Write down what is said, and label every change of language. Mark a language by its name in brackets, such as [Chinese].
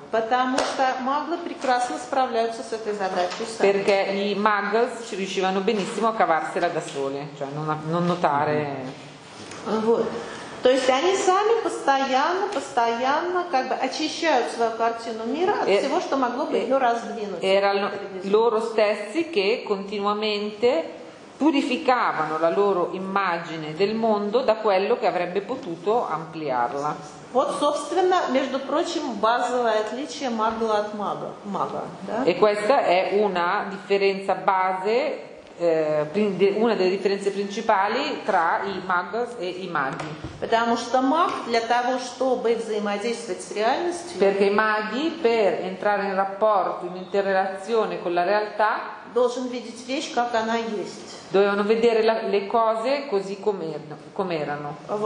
[Italian] Perché i Mughal riuscivano benissimo a cavarsela da sole, cioè non notare... [Russian] То есть они сами постоянно, постоянно как бы очищают свою картину мира от всего, что могло бы ее раздвинуть. [Italian] Erano loro stessi che continuamente purificavano la loro immagine del mondo da quello che avrebbe potuto ampliarla. [Russian] Вот, собственно, между прочим, базовое отличие магла от мага. Мага, да? [Italian] E questa è una differenza base. Una delle differenze principali tra i Mughals e i maghi. Perché i maghi, per entrare in rapporto, in interrelazione con la realtà, dovevano vedere le cose così come erano.